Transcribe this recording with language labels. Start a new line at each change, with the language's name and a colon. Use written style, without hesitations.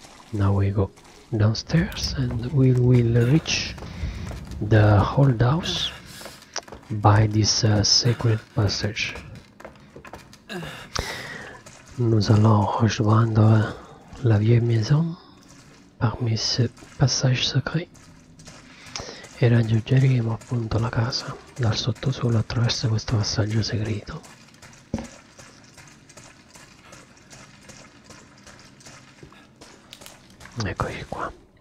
English: Now we go downstairs and we will reach the old house by this secret passage.
French: Nous allons rejoindre la vieille maison parmi ce passage secret.
Italian: E raggiungeremo appunto la casa dal sottosuolo attraverso questo passaggio segreto. Eccoci qua.